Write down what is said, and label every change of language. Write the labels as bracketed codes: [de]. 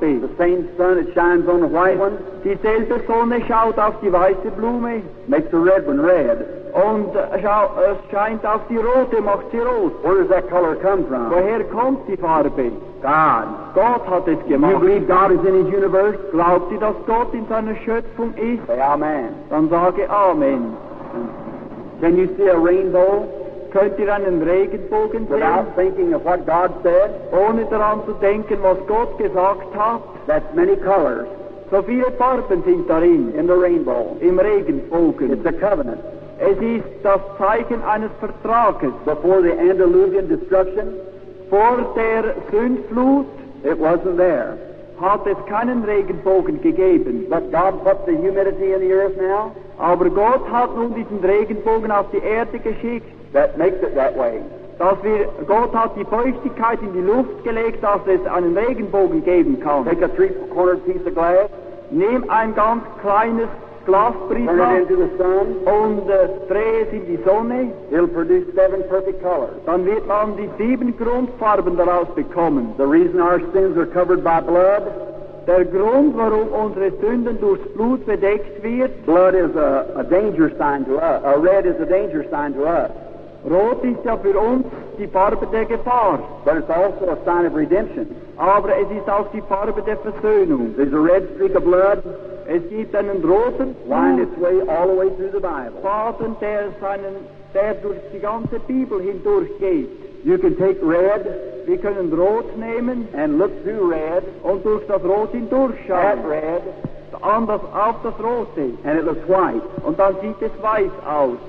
[en] The same sun that shines on the white one. [de] Dieselbe Sonne schaut auf die weiße Blume. [en] Makes the red one red. [de] Und scheint auf die rote, macht sie rot. [en] Where does that color come from? [de] Woher kommt die Farbe? [en] God. [de] Gott hat es gemacht. [en] You believe God is in his universe? [de] Glaubt ihr, dass Gott in seiner Schöpfung ist? [en] Say amen. [de] Dann sage amen. [en] Can you see a rainbow? [de] Könnt ihr einen Regenbogen sehen? [en] Without thinking of what God said? [de] Ohne daran zu denken, was Gott gesagt hat? [en] That's many colors. [de] So viele Farben sind darin. [en] In the rainbow. [de] Im Regenbogen. [en] It's a covenant. [de] Es ist das Zeichen eines Vertrages. [en] Before the Andalusian destruction? [de] Vor der Sündflut? [en] It wasn't there. [de] Hat es keinen Regenbogen gegeben. [en] But God put the humidity in the earth now? [de] Aber Gott hat nun diesen Regenbogen auf die Erde geschickt. [en] That makes it that way. [de] Dass wir, Gott hat die Feuchtigkeit in die Luft gelegt, dass es einen Regenbogen geben kann. [en] Take a three-cornered piece of glass. [de] Nimm ein ganz kleines Glasprisma. [en] Turn it into the sun. [de] Und dreh es in die Sonne. [en] It'll produce seven perfect colors. [de] Dann wird man die sieben Grundfarben daraus bekommen. [en] The reason our sins are covered by blood. [de] Der Grund, warum unsere Sünden durchs Blut bedeckt wird. [en] Blood is a danger sign to us. A red is a danger sign to us. [de] Rot ist ja für uns die Farbe der Gefahr. [en] But it's also a sign of redemption. [de] Aber es ist auch die Farbe der Versöhnung. [en] There's a red streak of blood. [de] Es gibt einen roten [en] Wind its way all the way through the Bible. [de] Faden, der durch die ganze Bibel hindurch geht. [en] You can take red. [de] Wir können rot nehmen. [en] And look through red. [de] Und durch das Rot hindurch schauen. [en] At red. [de] An das, auf das Rote. [en] And it looks white. [de] Und dann sieht es weiß aus.